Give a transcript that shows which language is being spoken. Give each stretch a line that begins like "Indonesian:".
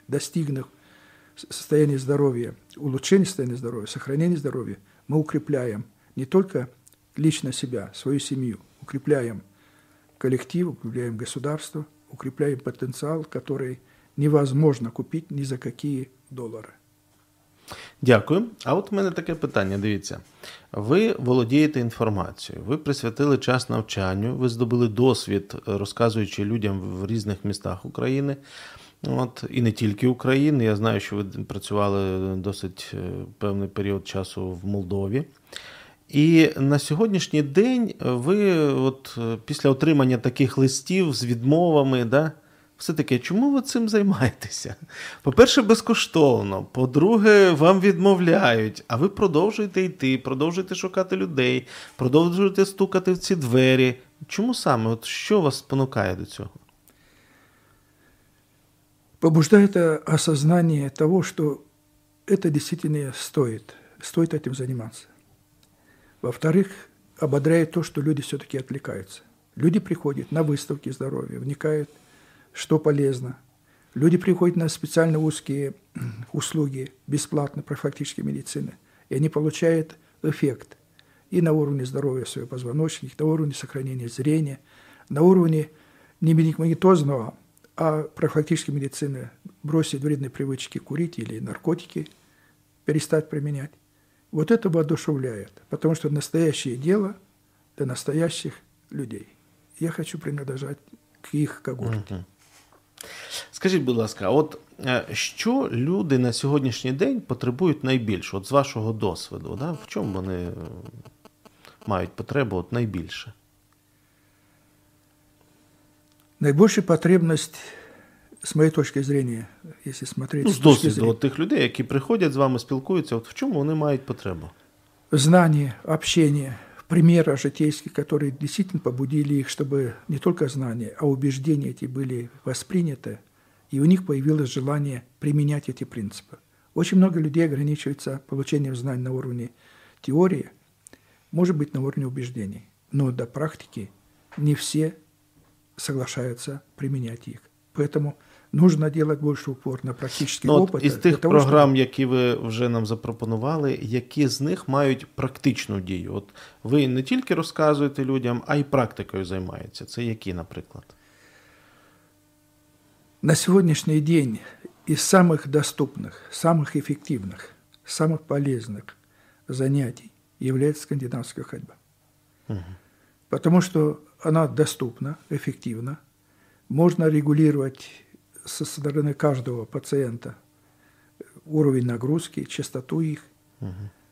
Russian: Достигнув состояния здоровья, улучшения состояния здоровья, сохранения здоровья, мы укрепляем не только лично себя, свою семью, укрепляем коллектив, укрепляем государство, укрепляем потенциал, который невозможно купить ни за какие долари.
Ukrainian: Дякую. А от у мене таке питання, дивіться. Ви володієте інформацією, ви присвятили час навчанню, ви здобули досвід, розказуючи людям в різних містах України, от, і не тільки України. Я знаю, що ви працювали досить певний період часу в Молдові. І на сьогоднішній день ви, от, після отримання таких листів з відмовами, да, все-таки, чому ви цим займаєтеся? По-перше, безкоштовно. По-друге, вам відмовляють. А ви продовжуєте йти, продовжуєте шукати людей, продовжуєте стукати в ці двері. Чому саме? От що вас спонукає до цього? Побуждає це осознання того, що це дійсно стоїть. Стоїть цим займатися.
Russian: Во-вторых,
Ukrainian: ободряє те, що люди все-таки відвлекаються. Люди приходять на виставки здоров'я, вникають,
Russian: что полезно. Люди приходят на специально узкие услуги, бесплатные профилактические медицины, и они получают эффект и на уровне здоровья своего позвоночника, на уровне сохранения зрения, на уровне не медикаментозного, а профилактической медицины бросить вредные привычки курить или наркотики, перестать применять. Вот это воодушевляет, потому что настоящее дело для настоящих людей. Я хочу принадлежать к их когорте.
Ukrainian: Скажіть, будь ласка, от що люди на сьогоднішній день потребують найбільше, от з вашого досвіду, да, в чому вони мають потребу от найбільше? Найбільша потребність
Russian: с моєї точки зрения, если смотреть...
Ukrainian: Ну, с досвіду от тих людей, які приходять з вами, спілкуються, от в чому вони мають потребу? Знання, общення, примери житейські, які дійсно побудили їх, щоб не тільки знання, а убеждення ці були восприйняті, і у них
Russian: появилось желание применять эти принципы. Очень много людей ограничивается получением знаний на уровне теории, может быть, на уровне убеждений. Но до практики не все соглашаются применять их. Поэтому нужно делать больше упор на практический опыт. Из тех программ,
Ukrainian: які ви вже нам запропонували, які з них мають практичну дію? От ви не тільки розказуєте людям, а й практикою займаєтеся. Це які, наприклад?
Russian: На сегодняшний день из самых доступных, самых эффективных, самых полезных занятий является скандинавская ходьба. Угу. Потому что она доступна, эффективна. Можно регулировать со стороны каждого пациента уровень нагрузки, частоту их. Угу.